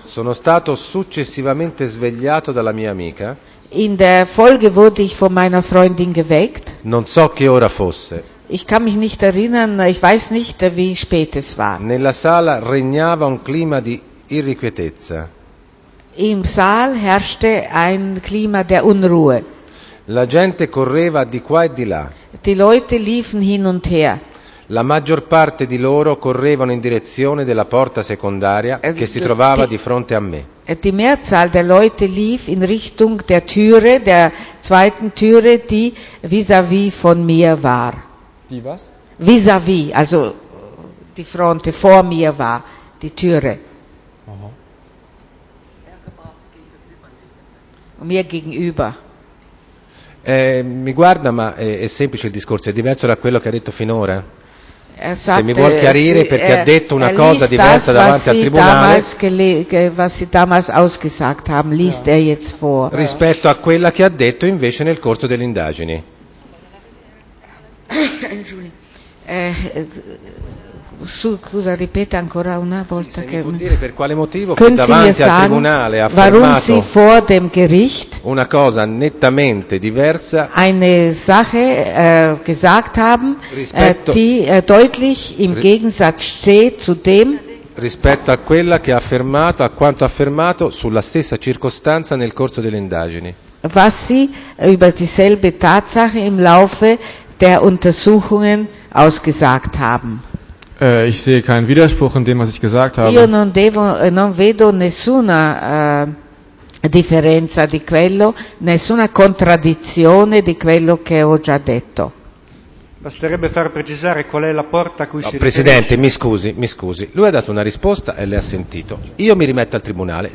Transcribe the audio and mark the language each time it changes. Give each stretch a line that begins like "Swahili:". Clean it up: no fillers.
Italian: Sono stato successivamente svegliato dalla mia amica.
German: In der Folge wurde ich von meiner Freundin geweckt.
Italian: Non so che ora fosse.
German: Ich kann mich nicht erinnern, ich weiß nicht, wie spät es war.
Italian: Nella sala regnava un clima di irrequietezza.
German: Im Saal herrschte ein Klima der Unruhe.
Italian: La gente correva di qua e di là.
German: Die Leute liefen hin und her.
Italian: La maggior parte di loro correvano in direzione della porta secondaria che si trovava di fronte a me.
German: Die Mehrzahl der Leute lief in Richtung der Türe, der zweiten Türe, die vis-à-vis von mir war. Die was? Vis-à-vis, also die Fronte vor mir war, die Türe. Aha. Mir gegenüber.
Italian: Mi guarda, ma è semplice il discorso, è diverso da quello che ha detto finora?
German: Sagte,
Italian: se mi vuol chiarire perché ha detto una cosa diversa
German: das,
Italian: davanti al tribunale,
German: was Sie damals ausgesagt haben, liest ja. Er jetzt vor.
Italian: Rispetto a quella che ha detto invece nel corso delle indagini. Scusa, ripete ancora una volta. Sì, che può dire per quale motivo che davanti al tribunale ha affermato
German: vor dem Gericht
Italian: una cosa nettamente diversa
German: eine Sache gesagt haben die deutlich im Gegensatz steht zu dem
Italian: rispetto a quella che ha affermato a quanto ha affermato sulla stessa circostanza nel corso delle indagini
German: was sie über dieselbe Tatsache im Laufe der Untersuchungen ausgesagt haben. Ich sehe keinen Widerspruch in dem, was ich gesagt habe.
Italian: Io non devo, non vedo nessuna differenza di quello, nessuna contraddizione di quello che ho già detto. Basterebbe far precisare qual è la porta a cui no, si Presidente, riferisce. mi scusi. Lui ha dato una risposta e le ha sentito. Io mi rimetto al tribunale.